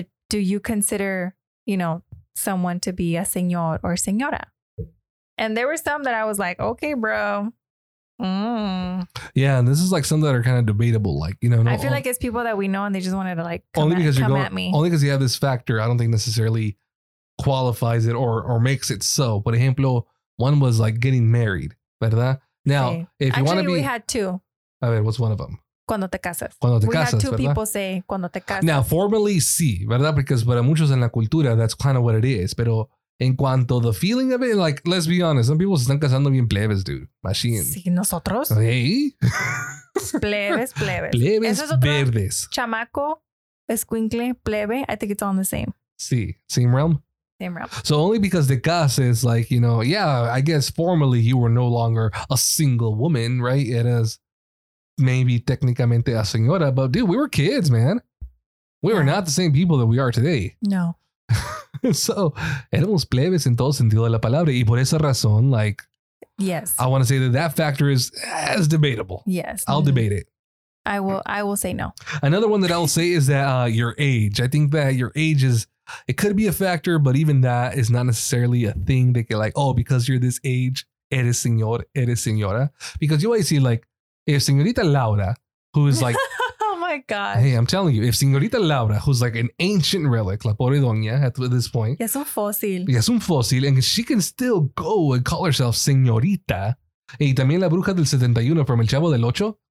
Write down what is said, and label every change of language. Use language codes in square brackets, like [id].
[en] Do you consider, you know, someone to be a señor or señora? And there were some that I was like, okay, bro. Mm. Yeah. And this is like some that are kind of debatable. Like, you know, no, I feel like it's people that we know and they just wanted to like come at me. Only because you have this factor. I don't think necessarily qualifies it or makes it so. [es] Por ejemplo, [en] one was like getting married, [es] ¿verdad? [en] Now, okay. If you want to be. Actually, we had two. [es] A ver, [en] what's one of them? [es] Cuando te casas. Cuando te [en] we [es] casas, [en] had two [es] ¿verdad? [en] People say, [es] cuando te casas. [en] Now, formally, [es] sí, ¿verdad? [en] Because [es] para muchos en la cultura, [en] that's kind of what it is. [es] Pero en cuanto [en] the feeling of it, like, let's be honest, some people [es] se están casando bien plebes, [en] dude. Machine. [es] Sí, nosotros. [en] Hey. [es] Plebes. Eso es otro verdes. Chamaco, escuincle, plebe. [en] I think it's all in the same. [es] Sí. [en] Same realm? Same realm. So only because [es] te casas, [en] like, you know, yeah, I guess formally you were no longer a single woman, right? It is. Maybe [es] technicamente [en] a señora, but dude, we were kids, man. We were not the same people that we are today. No. [es] So, éramos plebes en todo sentido de la palabra. Y por esa razón, like, [en] yes, I want to say that factor is as debatable. Yes. I'll debate it. I will say no. Another one that I'll say is that your age. I think that your age is, it could be a factor, but even that is not necessarily a thing that you're like, oh, because you're this age, [es] eres señor, eres señora. [en] Because you always see like, if Señorita Laura, who is like, oh my God. Hey, I'm telling you, if Señorita Laura, who's like an ancient relic, [es] la pobre doña [en] at this point. [es] Es un fósil. Es un fósil. [en] And she can still go and call herself Señorita. [es] Y también la bruja del 71 [en] from [es] El Chavo del Ocho.